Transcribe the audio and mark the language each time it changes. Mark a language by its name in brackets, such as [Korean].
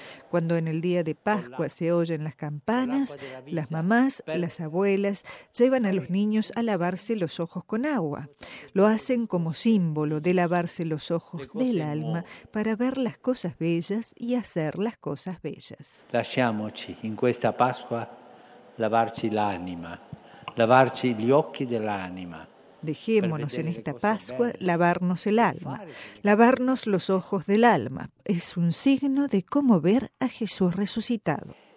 [Spanish] Cuando en el día de Pascua se oyen las campanas, las mamás, las abuelas llevan a los niños a lavarse los ojos con agua. Lo hacen como símbolo de lavarse los ojos del alma para ver las cosas bellas y hacer las cosas bellas. [Italian] Lasciamoci in questa Pasqua lavarci l'anima, lavarci gli occhi dell'anima. [Spanish] Dejémonos en esta Pascua lavarnos el alma, lavarnos los ojos del alma. Es un signo de cómo ver a Jesús resucitado.